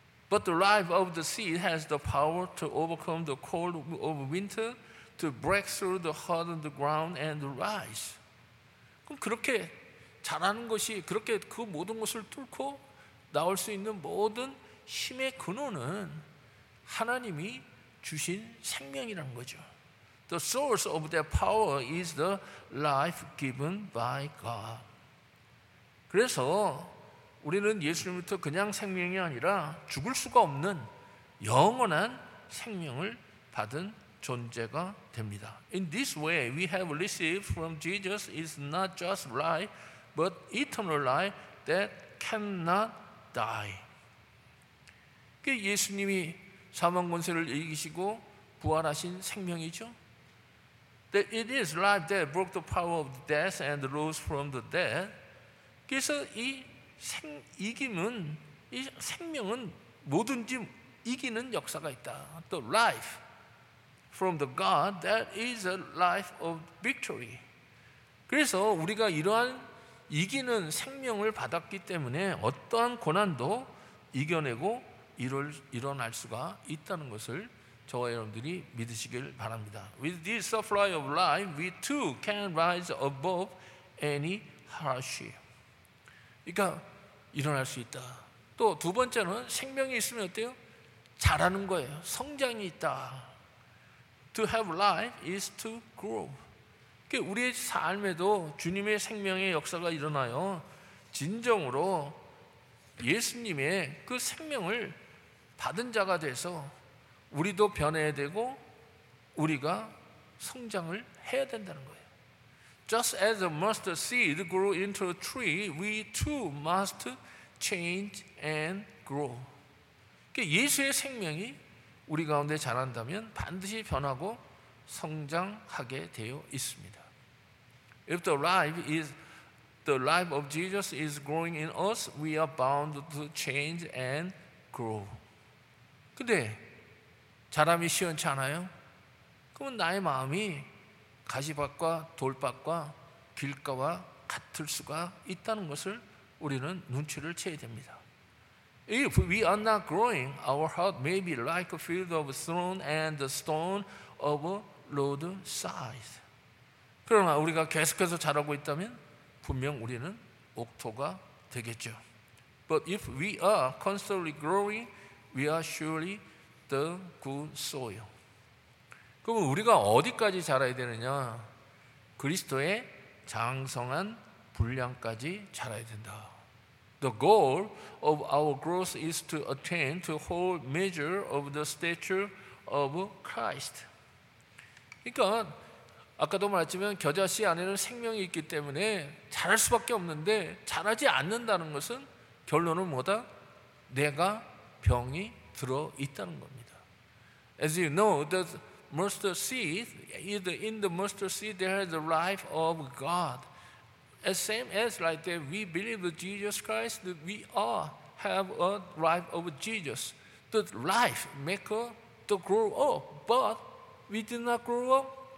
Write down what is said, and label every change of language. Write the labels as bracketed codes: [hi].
[en] But the life of the seed has the power to overcome the cold of winter, to break through the hardened ground and rise. [ko] 그럼 그렇게 자라는 것이 그렇게 그 모든 것을 뚫고 나올 수 있는 모든 힘의 근원은 하나님이 주신 생명이라는 거죠. [en] The source of that power is the life given by God. [ko] 그래서 우리는 예수님부터 그냥 생명이 아니라 죽을 수가 없는 영원한 생명을 받은 존재가 됩니다. [en] In this way, we have received from Jesus is not just life, but eternal life that cannot die. [ko] 예수님이 사망 권세를 이기시고 부활하신 생명이죠. [en] That it is life that broke the power of death and rose from the dead. [ko] 그래서 이 이김은 이 생명은 뭐든지 이기는 역사가 있다. [en] The life from the God that is a life of victory. [ko] 그래서 우리가 이러한 이기는 생명을 받았기 때문에 어떠한 고난도 이겨내고 일어날 수가 있다는 것을 저와 여러분들이 믿으시길 바랍니다. [en] With this supply of life, we too can rise above any hardship. [ko] 그러니까 일어날 수 있다. 또 두 번째는 생명이 있으면 어때요? 자라는 거예요. 성장이 있다. [en] To have life is to grow. [ko] 우리의 삶에도 주님의 생명의 역사가 일어나요. 진정으로 예수님의 그 생명을 받은 자가 돼서 우리도 변해야 되고 우리가 성장을 해야 된다는 거예요. [en] Just as a mustard seed grew into a tree, we too must change and grow. [ko] 예수의 생명이 우리 가운데 자란다면 반드시 변하고 성장하게 되어 있습니다. [en] If the life of Jesus is growing in us, we are bound to change and grow. [ko] 근데 자람이 시원치 않아요? 그러면 나의 마음이 가시밭과 돌밭과 길가와 같을 수가 있다는 것을 우리는 눈치를 채야 됩니다. [en] If we are not growing, our heart may be like a field of thorn and the stone of a road side. [ko] 그러나 우리가 계속해서 자라고 있다면 분명 우리는 옥토가 되겠죠. [en] But if we are constantly growing, we are surely the good soil. [ko] 그럼 우리가 어디까지 자라야 되느냐? 그리스도의 장성한 분량까지 자라야 된다. [en] The goal of our growth is to attain to whole measure of the stature of Christ. [ko] 그러니까 아까도 말했지만 겨자씨 안에는 생명이 있기 때문에 자랄 수밖에 없는데 자라지 않는다는 것은 결론은 뭐다? 내가 병이 들어 있다는 겁니다. [en] As you know, the mustard seed is in the mustard seed there is the life of God. As same as like that, we believe in Jesus Christ, that we all have a life of Jesus. The life maker to grow up, but we did not grow up.